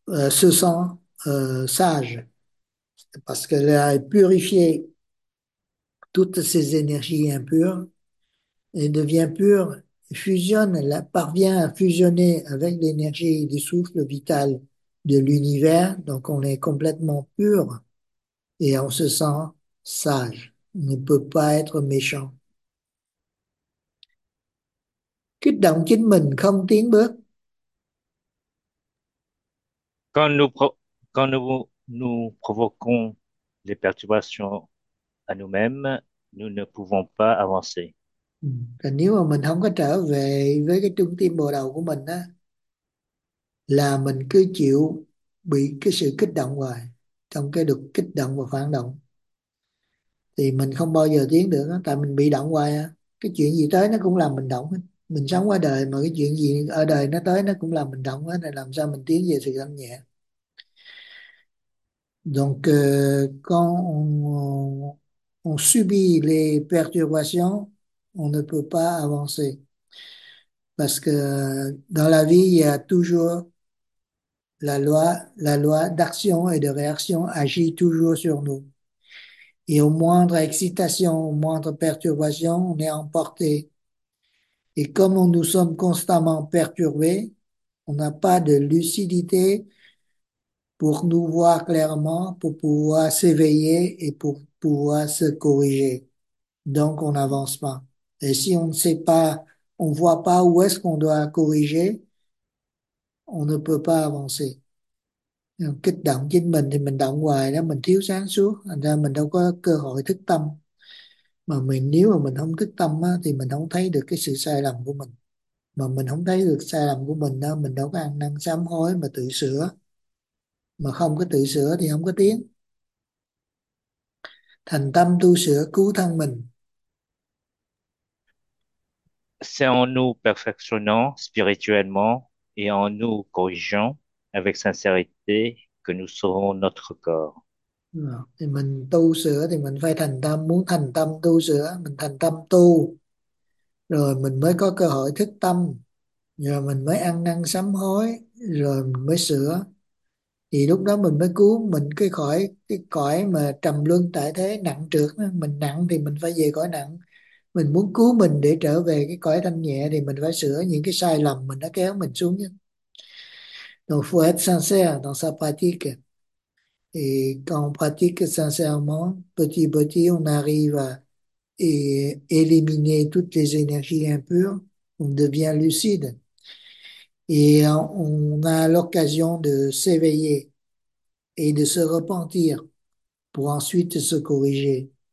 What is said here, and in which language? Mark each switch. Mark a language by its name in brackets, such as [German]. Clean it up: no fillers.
[French] se sent sage, parce qu'elle a purifié toutes ces énergies impures, et devient pure, fusionne, elle parvient à fusionner avec l'énergie du souffle vital de l'univers, donc on est complètement pur et on se sent sage, on ne peut pas être méchant. [Vietnamese] Kích động chính mình không tiến bước. [French] Quand nous provoquons les perturbations à nous-mêmes, nous ne pouvons pas avancer. [Vietnamese] Nếu mà mình không có trở về với cái trung tâm bộ đầu của mình á, là mình cứ chịu bị cái sự kích động hoài, trong cái được kích động và phản động, thì mình không bao giờ tiến được đó, tại mình bị động hoài á. Cái chuyện gì tới nó cũng làm mình động hết. Mình sống qua đời mà cái chuyện gì ở đời nó tới nó cũng làm mình động hết, là làm sao mình tiến về sự thanh nhẹ. [French] Donc quand on subit les perturbations, on ne peut pas avancer. Parce que dans la vie, il y a toujours la loi d'action et de réaction agit toujours sur nous. Et aux moindres excitations, aux moindres perturbations, on est emporté. Et comme nous sommes constamment perturbés, on n'a pas de lucidité pour nous voir clairement, pour pouvoir s'éveiller et pour pouvoir se corriger. Donc, on n'avance pas. Et si on ne sait pas, on ne voit pas où est-ce qu'on doit corriger, on ne peut pas avancer. [Vietnamese] Kích động chính mình thì mình động hoài đó, mình thiếu sáng suốt, thành ra mình đâu có cơ hội thức tâm. Mà mình nếu mà mình không thức tâm á, thì mình không thấy được cái sự sai lầm của mình. Mà mình không thấy được sai lầm của mình đó, mình đâu có ăn năn sám hối mà tự sửa. Mà không có tự sửa thì không có tiến. Thành tâm tu sửa cứu thân mình. [French] C'est en nous perfectionnant spirituellement et en nous corrigeant avec sincérité que nous sauvons notre corps. [Vietnamese] Rồi. Thì mình tu sửa thì mình phải thành tâm, muốn thành tâm tu sửa, mình thành tâm tu rồi mình mới có cơ hội thức tâm, rồi mình mới ăn năn sám hối, rồi mình mới sửa, thì lúc đó mình mới cứu mình cái khỏi cái cõi mà trầm luân tại thế nặng trược. Mình nặng thì mình phải về cõi nặng, mình muốn cứu mình để trở về cái cõi thanh nhẹ thì mình phải sửa những cái sai lầm mình đã kéo mình xuống chứ. [French] Donc faut être sincère dans sa pratique. Et quand on pratique sincèrement, petit à petit, on arrive à éliminer toutes les énergies impures, on devient lucide. Et on a l'occasion de s'éveiller et de se repentir pour ensuite se corriger.